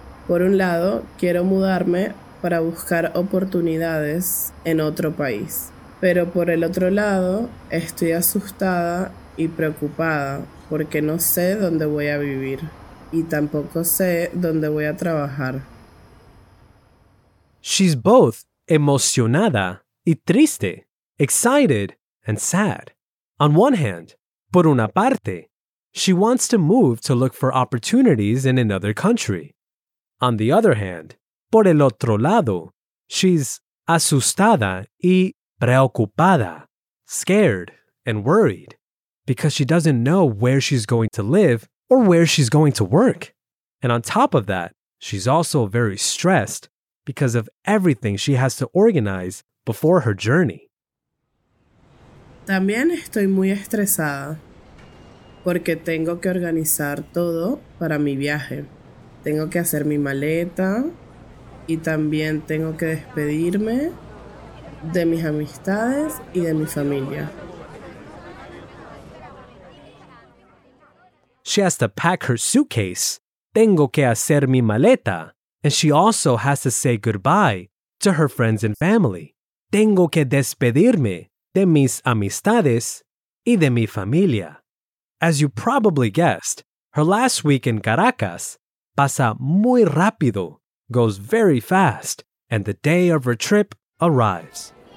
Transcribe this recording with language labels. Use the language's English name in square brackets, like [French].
[Spanish] Por un lado, quiero mudarme para buscar oportunidades en otro país. Pero por el otro lado, estoy asustada y preocupada porque no sé dónde voy a vivir y tampoco sé dónde voy a trabajar. [English] She's both [Spanish] emocionada y triste, [English] excited and sad. On one hand, [Spanish] por una parte, [English] she wants to move to look for opportunities in another country. On the other hand, [Spanish] por el otro lado, [English] she's [Spanish] asustada y preocupada, [English] scared and worried, because she doesn't know where she's going to live or where she's going to work. And on top of that, she's also very stressed because of everything she has to organize before her journey. [Spanish] También estoy muy estresada porque tengo que organizar todo para mi viaje. Tengo que hacer mi maleta y también tengo que despedirme de mis amistades y de mi familia. [English] She has to pack her suitcase. [Spanish] Tengo que hacer mi maleta. [English] And she also has to say goodbye to her friends and family. [Spanish] Tengo que despedirme de mis amistades y de mi familia. [English] As you probably guessed, her last week in Caracas [Spanish] pasa muy rápido, [English] goes very fast, and the day of her trip arrives.